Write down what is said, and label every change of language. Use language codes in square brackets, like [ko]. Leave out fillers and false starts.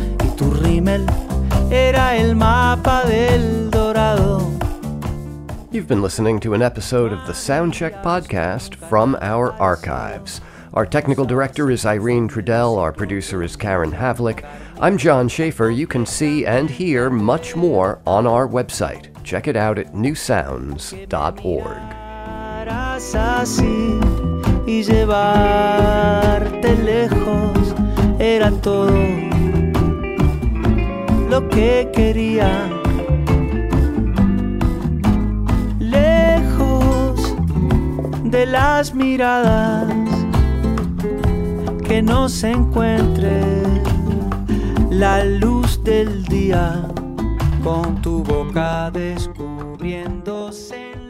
[es] Y tu rímel era el mapa del dorado. [en] You've been listening to an episode of the Soundcheck podcast from our archives. Our technical director is Irene Trudell, our producer is Karen Havlick. I'm John Schaefer. You can see and hear much more on our website. Check it out at newsounds.org. [es] Así y llevarte lejos era todo lo que quería. Lejos de las miradas que no se encuentre la luz del día con tu boca descubriéndose.